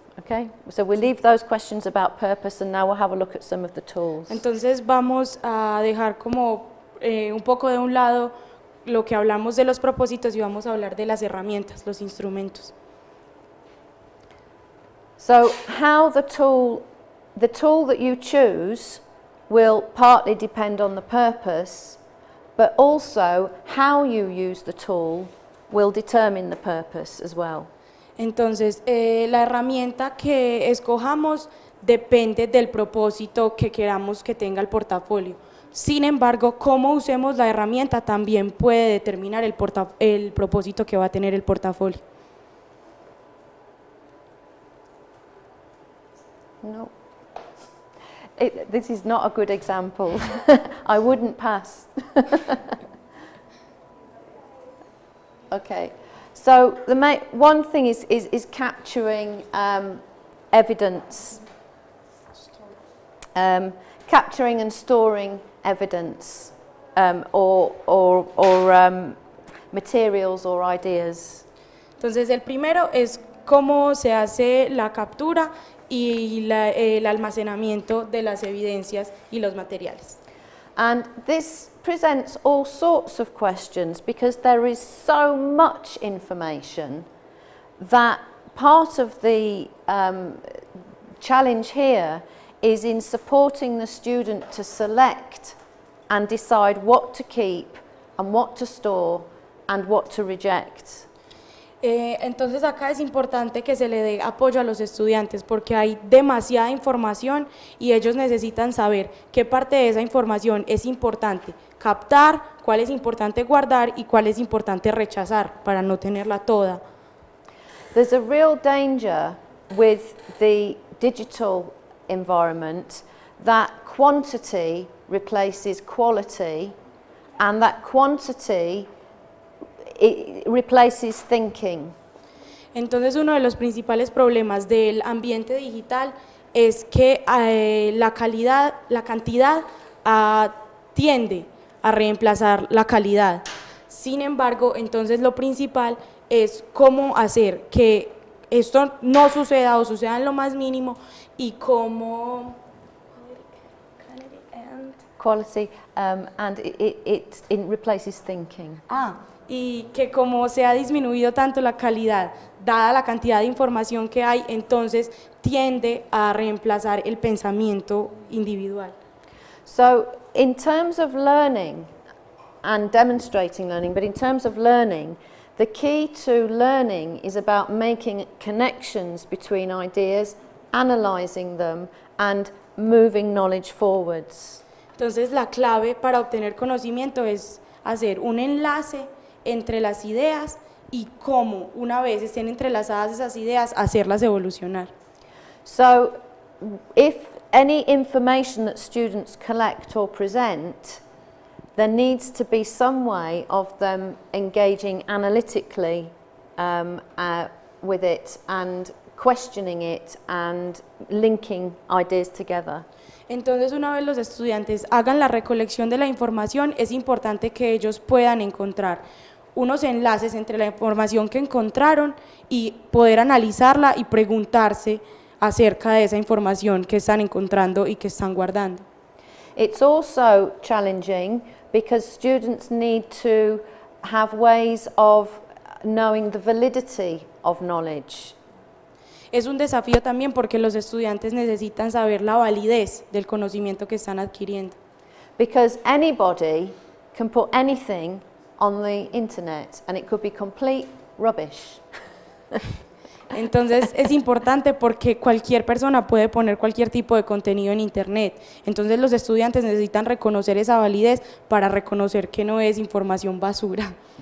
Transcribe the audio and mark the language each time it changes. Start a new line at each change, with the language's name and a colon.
English: Okay, so we'll leave those questions about purpose and now we'll have a look at some of the tools.
Spanish: Entonces vamos a dejar como un poco de un lado lo que hablamos de los propósitos y vamos a hablar de las herramientas, los instrumentos.
English: So how the tool that you choose will partly depend on the purpose, but also how you use the tool will determine the purpose as well.
Spanish: Entonces, la herramienta que escojamos depende del propósito que queramos que tenga el portafolio. Sin embargo, cómo usemos la herramienta también puede determinar el propósito que va a tener el portafolio.
English: No. This is not a good example. I wouldn't pass. Okay. So the one thing is capturing evidence, capturing and storing evidence, or materials or ideas.
Spanish: Entonces el primero es cómo se hace la captura y el almacenamiento de las evidencias y los materiales.
English: And this presents all sorts of questions because there is so much information that part of the challenge here is in supporting the student to select and decide what to keep and what to store and what to reject.
Spanish: Entonces acá es importante que se le dé apoyo a los estudiantes porque hay demasiada información y ellos necesitan saber qué parte de esa información es importante captar, cuál es importante guardar y cuál es importante rechazar para no tenerla toda.
English: There's a real danger with the digital environment that quantity replaces quality and that quantity it replaces thinking.
Spanish: Entonces uno de los principales problemas del ambiente digital es que la cantidad tiende a reemplazar la calidad. Sin embargo, entonces lo principal es cómo hacer que esto no suceda o suceda en lo más mínimo y cómo
English: quality and it replaces thinking. Ah.
Spanish: Y que como se ha disminuido tanto la calidad, dada la cantidad de información que hay, entonces tiende a reemplazar el pensamiento individual.
English: So, in terms of learning, and demonstrating learning, but in terms of learning, the key to learning is about making connections between ideas, analyzing them, and moving knowledge forwards.
Spanish: Entonces, la clave para obtener conocimiento es hacer un enlace entre las ideas y cómo, una vez estén entrelazadas esas ideas, hacerlas evolucionar.
English: So, if any information that students collect or present, there needs to be some way of them engaging analytically with it and questioning it and linking ideas together.
Spanish: Entonces, una vez los estudiantes hagan la recolección de la información, es importante que ellos puedan encontrar unos enlaces entre la información que encontraron y poder analizarla y preguntarse acerca de esa información que están encontrando y que están guardando.
English: It's also challenging because students need to have ways of knowing the validity of knowledge.
Spanish: Es un desafío también porque los estudiantes necesitan saber la validez del conocimiento que están adquiriendo.
English: Because anybody can put anything on the internet and it could be complete rubbish.
Spanish: Entonces es importante porque cualquier persona puede poner cualquier tipo de contenido en internet. Entonces los estudiantes necesitan reconocer esa validez para reconocer que no es información basura.